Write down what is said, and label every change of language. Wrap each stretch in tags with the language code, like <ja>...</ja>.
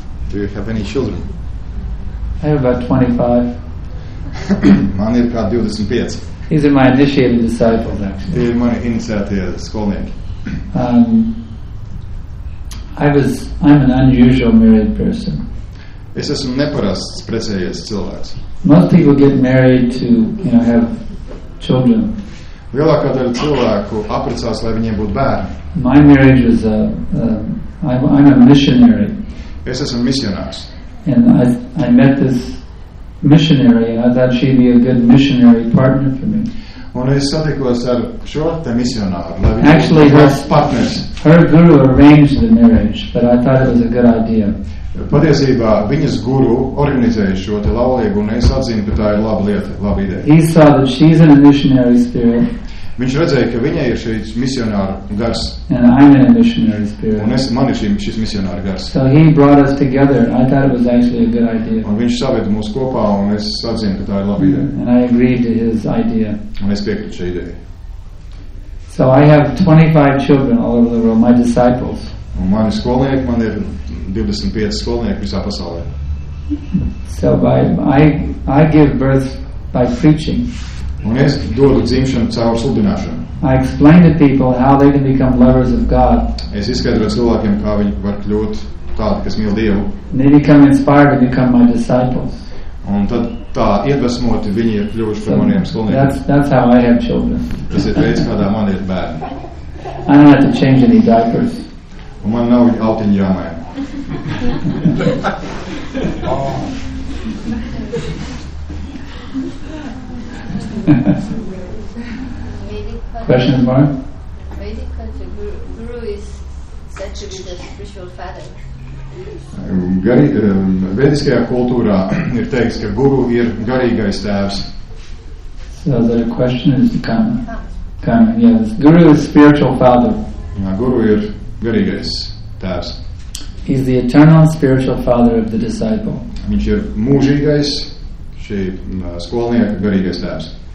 <en>Do you have any children? I have about 25.</en> <lv>Man ir kā 25.</lv> <en>These are my initiated disciples, actually.</en> <lv>Tie ir mani iniciētie skolnieki.</lv> <en>I'm an unusual married person.</en> <lv>Es esmu neparasts precējies cilvēks.</lv> <en>Most people get married to, you know, have children.</en> <lv>Lielākā daļa cilvēku aprecās, lai viņiem būtu bērni.</lv> <en>My marriage was I'm a missionary.</en> <lv>Es esmu misionārs.</lv> <en>And I met this missionary and I thought she'd be a good missionary partner for me.</en> <lv>Un es satikos ar šo te misionāru, lai viņa</lv> <en>actually,</en> <lv>būtu mans partners.</lv> <en>Her guru arranged the marriage, but I thought it was a good idea.</en> <lv>Patiesībā viņas guru organizēja šo te laulību un es atzinu, ka tā ir laba lieta, laba ideja.</lv> <en>He saw that she's in a missionary spirit.</en> <lv>Viņš redzēja, ka viņai ir šīs misionāra gars.</lv> <en>And I'm in a missionary spirit.</en> <lv>Un es, man ir šīs misionāra gars.</lv> <en>So he brought us together and I thought it was actually a good idea.</en> <lv>Un viņš saveda mūs kopā un es atzinu, ka tā ir laba ideja.</lv> <en>And I agreed to his idea.</en> <lv>Un es piekrītu šai idejai.</lv> <en>So I have 25 children all over the world, my disciples.</en> <lv>Un mani skolnieki, man ir 25 skolnieki visā pasaulē.</lv> <en>So I give birth by preaching.</en> <lv>Un es dodu dzimšanu caur sludināšanu.</lv> <en>I explain to people how they can become lovers of God.</en> <lv>Es izskaidroju cilvēkiem, kā viņi var kļūt tādi, kas mīl Dievu.</lv> <en>They become inspired to become my disciples.</en> <lv>Un tad tā iedvesmoti viņi ir kļuvuši par maniem skolniekiem.</lv> <en>That's how I have children.</en> <lv>Tas ir veids, kādā man ir bērni.</lv> <en>I don't have to change any diapers.</en> <lv>Un man nav autiņu jāmaina.</lv> <en>Question more? Vedic culture, guru is said to be the spiritual father.</en> <lv>Vediskajā kultūrā ir teikts, ka guru ir garīgais tēvs.</lv> <en>So the question is the karma. Karma, yes. Guru is spiritual father.</en> <lv>Jā, guru ir garīgais tēvs.</lv> <en>He's the eternal spiritual father of the disciple.</en> <lv>Viņš ir mūžīgais šī skolnieka garīgais tēvs.</lv>